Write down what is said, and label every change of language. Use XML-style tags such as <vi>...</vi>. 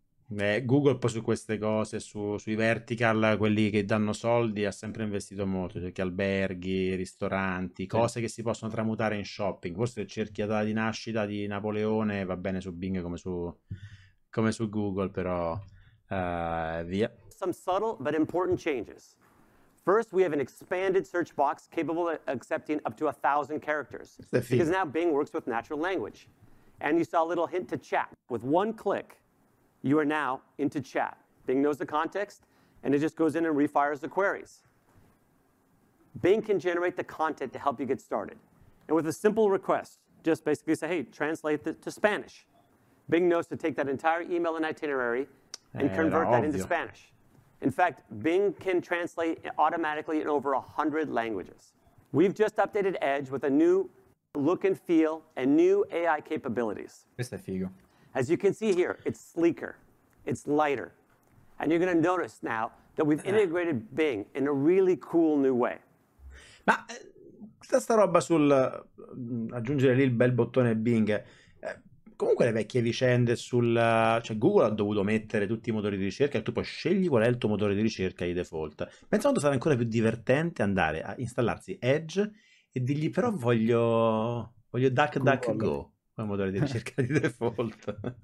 <it>Google poi su queste cose, sui vertical, quelli che danno soldi, ha sempre investito molto, cerchi alberghi, ristoranti, cose che si possono tramutare in shopping. Forse cerchi la data di nascita di Napoleone, va bene su Bing come su Google, però via.</it> <en>Some subtle but important changes. First, we have an expanded search box capable of accepting up to 1,000 characters</en> <it>Questo è</it> <en>because</en> <it>figo.</it> <en>now Bing works with natural language. And you saw a little hint to chat. With one click, you are now into chat. Bing knows the context and it just goes in and refires the queries. Bing can generate the content to help you get started. And with a simple request, just basically say, hey, translate it to Spanish. Bing knows to take that entire email and itinerary and convert that into Spanish. In fact, Bing can translate automatically in over 100 languages. We've just updated Edge with a new look and feel and new AI capabilities.</en> <it>Questo è figo.</it> <en>As you can see here, it's sleeker, it's lighter. And you're going to notice now that we've integrated Bing in a really cool new way.</en> <it>Ma sta roba sul aggiungere lì il bel bottone Bing. Comunque le vecchie vicende sul... cioè Google ha dovuto mettere tutti i motori di ricerca e tu poi scegli qual è il tuo motore di ricerca di default. Penso quanto sarà ancora più divertente andare a installarsi Edge e dirgli però voglio DuckDuckGo come motore di ricerca di default.</it>